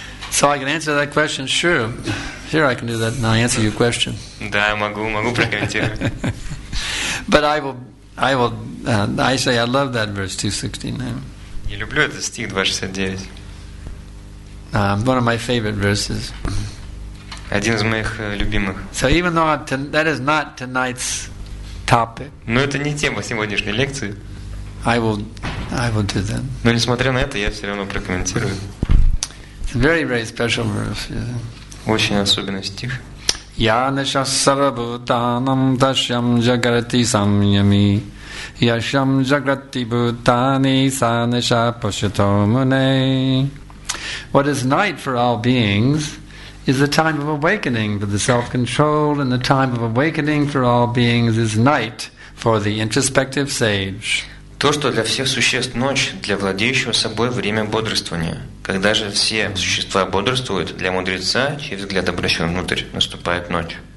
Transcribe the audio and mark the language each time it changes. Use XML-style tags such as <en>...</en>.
<en>So I can answer that question? Sure. Sure, I can do that. Now answer your question.</en> <ru>Да, могу прокомментировать.</ru> <en>But I say I love that verse 269.</en> <ru>Я люблю этот стих 269.</ru> <en>One of my favorite verses.</en> <ru>Один из моих любимых.</ru> <en>So even though that is not tonight's topic.</en> <ru>Но это не тема сегодняшней лекции.</ru> <en>I will do that.</en> <ru>Но несмотря на это, я все равно прокомментирую.</ru> <en>It's a very, very special verse. Yeah.</en> <ru>Очень особенный стих.</ru> <sa>Yāna śāsara bhūtānam dasyam jagrati samyami yasyam jagrati bhūtāni sānesha pasyato mune.</sa> <en>What is night for all beings is the time of awakening for the self-controlled, and the time of awakening for all beings is night for the introspective sage.</en> <ru>То, что для всех существ ночь, для владеющего собой время бодрствования. Когда же все существа бодрствуют, для мудреца, чей взгляд обращен внутрь, наступает ночь.</ru>